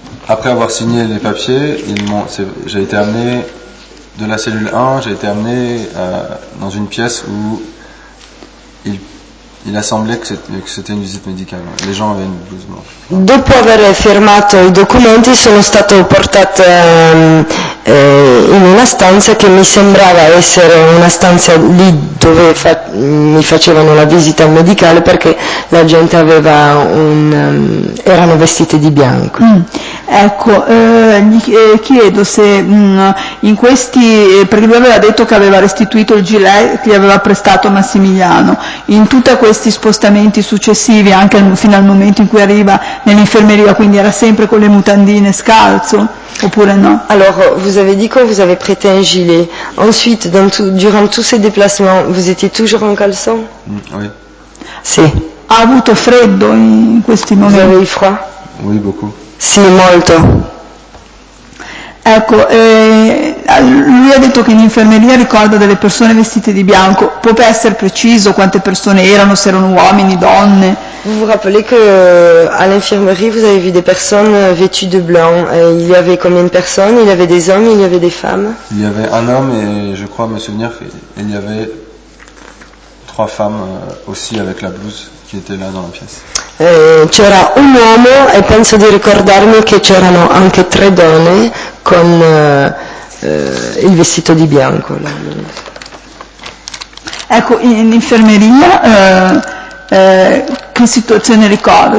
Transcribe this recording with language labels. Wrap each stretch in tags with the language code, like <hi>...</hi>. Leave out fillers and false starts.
<fr>Après avoir signé les papiers, j'ai été amené de la cellule 1, j'ai été amené dans une pièce où Il a semblé che c'était une visite médicale. Les gens avaient une blouse blanche.</fr> <it>Dopo aver firmato i documenti sono stato portato in una stanza che mi sembrava essere una stanza lì dove mi facevano la visita medicale, perché la gente aveva un erano vestite di bianco. Ecco, gli chiedo se in questi, perché lui aveva detto che aveva restituito il gilet che gli aveva prestato Massimiliano, in tutti questi spostamenti successivi, anche fino al momento in cui arriva nell'infermeria, quindi era sempre con le mutandine scalzo, oppure no?</it> <fr>Allora, vous avez dit que vous avez prêté un gilet. Ensuite, durant tous ces déplacements, vous étiez toujours en caleçon? Oui.</fr> <it>Sì. Ha avuto freddo in questi momenti?</it> <fr>Vous avez eu froid? Oui, beaucoup.</fr> <it>Sì, molto. Ecco, lui ha detto che in infermeria ricorda delle persone vestite di bianco. Può essere preciso quante persone erano, se erano uomini, donne?</it> <fr>Vous vous rappelez que à l'infirmerie vous avez vu des personnes vêtues de blanc. Il y avait combien de personnes? Il y avait des hommes, il y avait des femmes? Il y avait un homme et je crois me souvenir qu'il y avait trois femmes aussi avec la blouse qui étaient là dans la pièce.</fr> <it>C'era un uomo e penso di ricordarmi che c'erano anche tre donne con il vestito di bianco. Ecco, in infermeria che situazione ricorda?</it>